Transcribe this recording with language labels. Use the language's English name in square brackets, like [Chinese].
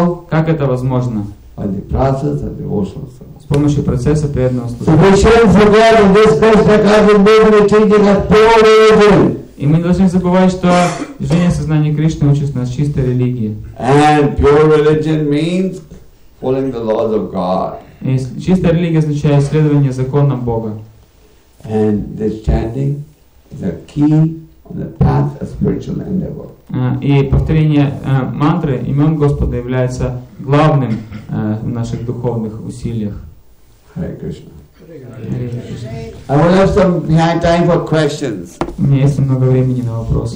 [Russian] Как это возможно? С помощью процесса преданного служения. И мы не должны забывать, что движение сознания Кришны учит нас чистой религии. [English] And pure religion means following the laws of God. [Russian] И чистая религия означает следование законам Бога. [English] And this chanting is a key on the path of spiritual endeavor. [Russian] И повторение мантры имен Господа является главным в наших духовных усилиях. [English] Hare Krishna. I will have some time for questions. [Russian] У меня есть много времени на вопросы.